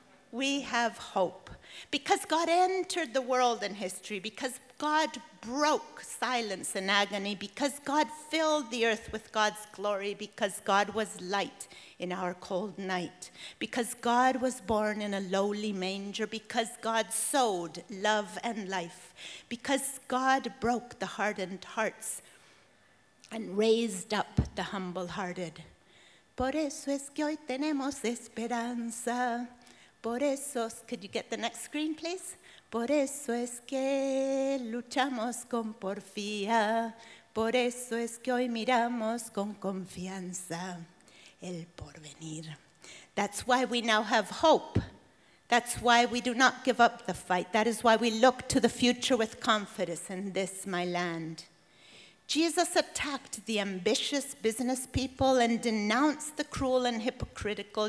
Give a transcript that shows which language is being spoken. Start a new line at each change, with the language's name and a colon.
English: We have hope because God entered the world in history, because God broke silence and agony, because God filled the earth with God's glory, because God was light in our cold night, because God was born in a lowly manger, because God sowed love and life, because God broke the hardened hearts and raised up the humble-hearted.
Spanish: Por eso es que hoy tenemos esperanza. Por eso,
English: could you get the next screen, please?
Spanish: Por eso es que luchamos con porfía. Por eso es que hoy miramos con confianza el porvenir.
English: That's why we now have hope. That's why we do not give up the fight. That is why we look to the future with confidence in this, my land. Jesus attacked the ambitious business people and denounced the cruel and hypocritical.